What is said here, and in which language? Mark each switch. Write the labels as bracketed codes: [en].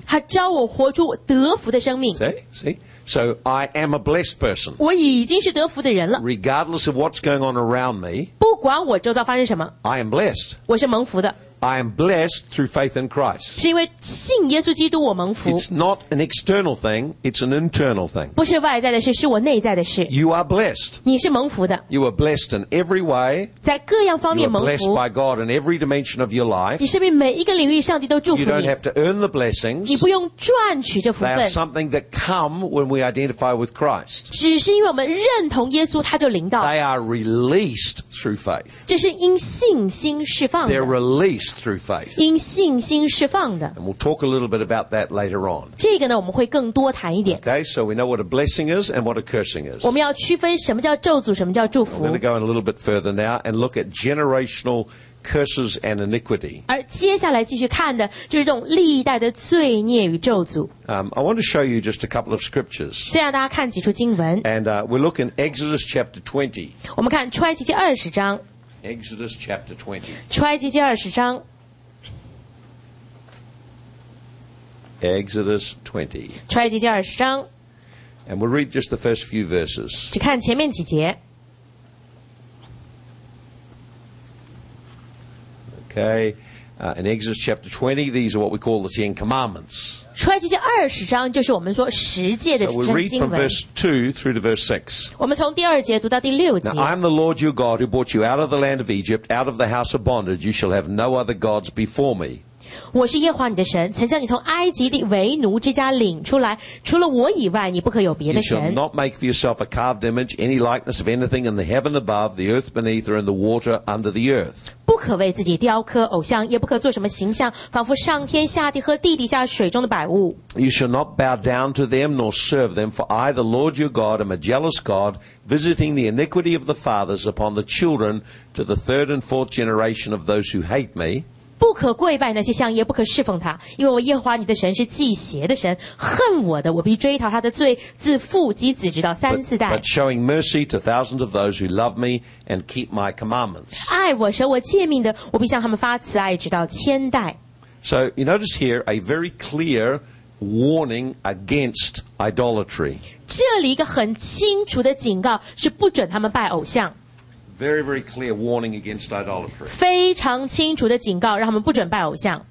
[zh] 他召我活出得福的生命。 [en] See? So I am a blessed person. [zh] 我已经是得福的人了。 [en] Regardless of what's going on around me, [zh] 不管我周遭发生什么, [en] I am blessed. [zh] 我是蒙福的。 [en] I am blessed through faith in Christ. [zh] 是因为信耶稣基督我蒙福。 [en] It's not an external thing, it's an internal thing. [zh] 不是外在的事，是我内在的事。 [en] You are blessed. [zh] 你是蒙福的。 [en] You are blessed in every way. [zh] 在各样方面蒙福。 [en] You are blessed by God in every dimension of your life. [zh] 你身边每一个领域上帝都祝福你。 [en] You don't have to earn the blessings. [zh] 你不用赚取这福分。 [en] They are something that come when we identify with Christ. [zh] 只是因为我们认同耶稣，他就临到。 [en] They are released through faith. [zh] 这是因信心释放的。 [en] They're released. Through faith. [zh] 因信心释放的。 [en] And we'll talk a little bit about that later on. [zh] 这个呢，我们会更多谈一点。 [en] Okay, so we know what a blessing is and what a cursing is. [zh] 我们要区分什么叫咒诅，什么叫祝福。 [en] We're going to go in a little bit further now and look at generational curses and iniquity. [zh] 而接下来继续看的就是这种历代的罪孽与咒诅。 [en] I want to show you just a couple of scriptures. [zh] 再让大家看几处经文。 [en] And we look in Exodus chapter 20. [zh] 我们看出埃及记二十章。 [en] Exodus chapter 20. [zh] 出埃及记二十章。 [en] Exodus 20. [zh] 出埃及记二十章。 [en] And we'll read just the first few verses. [zh] 只看前面几节。 [en] Okay. In Exodus chapter 20, these are what we call the Ten Commandments. [zh] 出埃及记二十章就是我们说十诫的圣经文。 [en] So we read from verse 2 through to verse 6. [zh] 我们从第二节读到第六节。 [en] Now I am the Lord your God who brought you out of the land of Egypt, out of the house of bondage. You shall have no other gods before me. [zh] 我是耶和华你的神，曾将你从埃及地为奴之家领出来。除了我以外，你不可有别的神。 [en] You shall not make for yourself a carved image, any likeness of anything in the heaven above, the earth beneath, or in the water under the earth. [zh] 不可为自己雕刻偶像，也不可做什么形象，仿佛上天下地和地底下水中的百物。 [en] You shall not bow down to them nor serve them, for I, the Lord your God, am a jealous God, visiting the iniquity of the fathers upon the children to the third and fourth generation of those who hate me. [zh] 不可跪拜那些像，也不可侍奉他，因为我耶和华你的神是祭邪的神，恨我的，我必追讨他的罪，自父及子直到三四代。 [en] But showing mercy to thousands of those who love me. And keep my commandments. [zh] 爱我守我诫命的，我必向他们发慈爱，直到千代。 [en] So you notice here a very clear warning against idolatry. [zh] 这里一个很清楚的警告是不准他们拜偶像。 [en] Very, very clear warning against idolatry. [zh] 非常清楚的警告，让他们不准拜偶像。